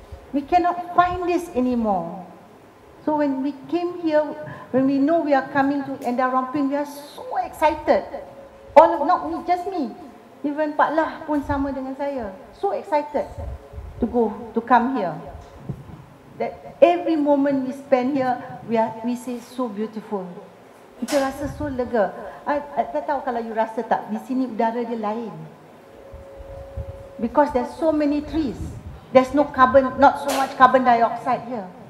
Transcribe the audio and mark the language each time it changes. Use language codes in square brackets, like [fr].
[en] We cannot find this anymore. So when we came here, when we know we are coming to Endau Rompin, we are so excited. All of, not me, just me. [ms] Even Pak Lah pun sama dengan saya. [en] So excited to go, to come here. That every moment we spend here, we say so beautiful. [ms] Kita rasa so lega. I tak tahu kalau you rasa tak, di sini udara dia lain. [en] Because there's so many trees. There's no carbon, not so much carbon dioxide here.